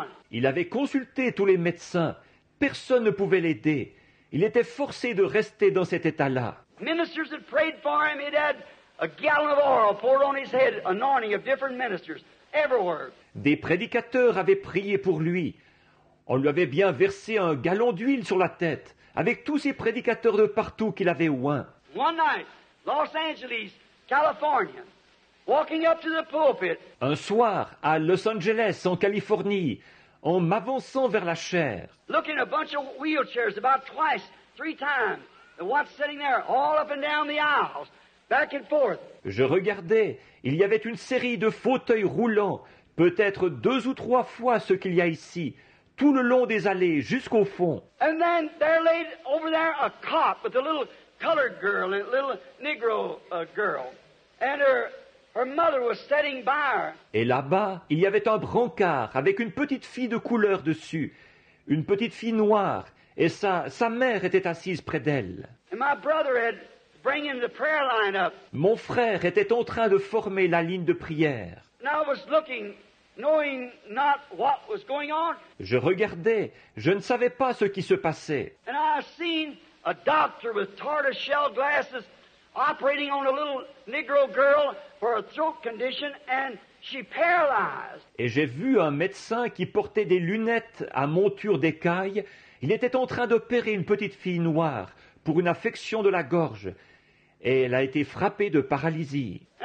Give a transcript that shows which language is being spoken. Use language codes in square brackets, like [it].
[fr] Il avait consulté tous les médecins. Personne ne pouvait l'aider. Il était forcé de rester dans cet état-là. [en] Ministers had prayed for him. He'd had a gallon of oil poured on his head, anointing of different ministers everywhere. [fr] Des prédicateurs avaient prié pour lui. On lui avait bien versé un gallon d'huile sur la tête, avec tous ces prédicateurs de partout qu'il avait oint. [en] One night, Los Angeles, California, walking up to the pulpit. [fr] Un soir, à Los Angeles, en Californie, en m'avançant vers la chaire. [en] Looking at a bunch of wheelchairs about twice, three times. The one sitting there, all up and down the aisles, back and forth. [fr] Je regardais, il y avait une série de fauteuils roulants, peut-être deux ou trois fois ce qu'il y a ici, tout le long des allées, jusqu'au fond. [en] And then there laid over there a cot with a little colored girl, a little Negro girl, and her mother was sitting by her. [fr] Et là-bas, il y avait un brancard avec une petite fille de couleur dessus, une petite fille noire. Et sa mère était assise près d'elle. [en] And my brother had bringing the prayer line up. [fr] Mon frère était en train de former la ligne de prière. [en] And I was looking, knowing not what was going on. [fr] Je regardais, je ne savais pas ce qui se passait. [en] And I seen a doctor with tortoise shell glasses operating on a little Negro girl for a throat condition and she paralyzed. [fr] Et j'ai vu un médecin qui portait des lunettes à monture d'écaille. Il était en train d'opérer une petite fille noire pour une affection de la gorge et elle a été frappée de paralysie.